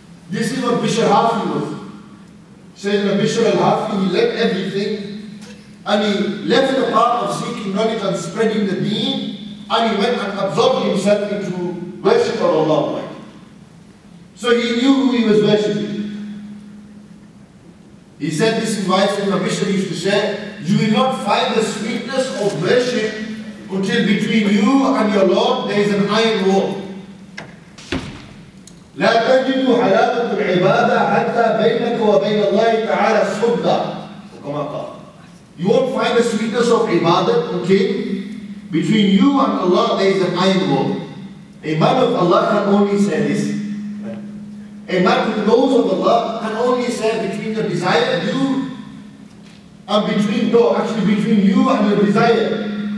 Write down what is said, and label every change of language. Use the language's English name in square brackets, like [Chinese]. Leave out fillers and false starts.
[English] This is what Bishr Hafi was. Sayyidina Bishr al-Hafi, he left everything and he left the path of seeking knowledge and spreading the deen, and he went and absorbed himself into worship of Allah. So he knew who he was worshipping. He said, this is why Sayyidina Bishr used to say, you will not find the sweetness of worship until between you and your Lord there is an iron wall. [Arabic] لا تجد حلاوة العبادة حتى بينك وبين الله تعالى صدى وكما قال. [English] You won't find the sweetness of ibadah, okay? Between you and Allah there is an iron wall. A man of Allah can only say this. A man who knows of Allah can only say between the desire of you and between, no, actually between you and your desire.